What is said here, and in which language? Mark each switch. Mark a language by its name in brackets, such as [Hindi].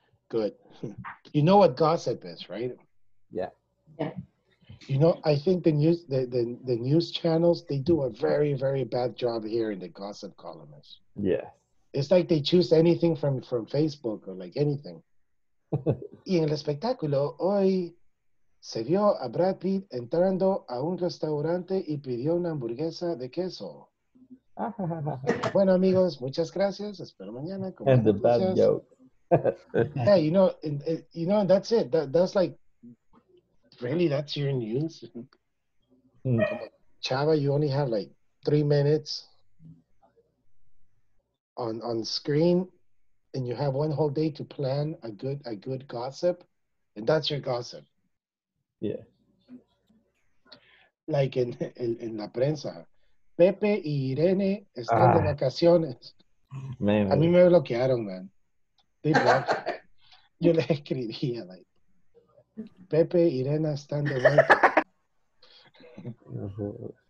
[English] Good. You know what gossip is, right? Yeah. Yeah. You know, I think the news channels, they do a very, very bad job here in the gossip columnists. Yeah. It's like they choose anything from Facebook or like anything. [Spanish] Y en el espectáculo, hoy se vio a Brad Pitt entrando a un restaurante y pidió una hamburguesa de queso. Bueno, amigos, muchas gracias. Espero mañana. [English] Con and the bad joke. Hey, you know, and, you know, that's it. That's like, really, that's your news? Chava, you only have like 3 minutes on screen and you have one whole day to plan a good gossip. And that's your gossip. Yeah. Like in [Spanish] la prensa, Pepe y Irene están de vacaciones. [English] Man. [Spanish] A mí me bloquearon, man. [English] They blocked. [Spanish] Yo les escribía, like, Pepe y Irene están de vuelta.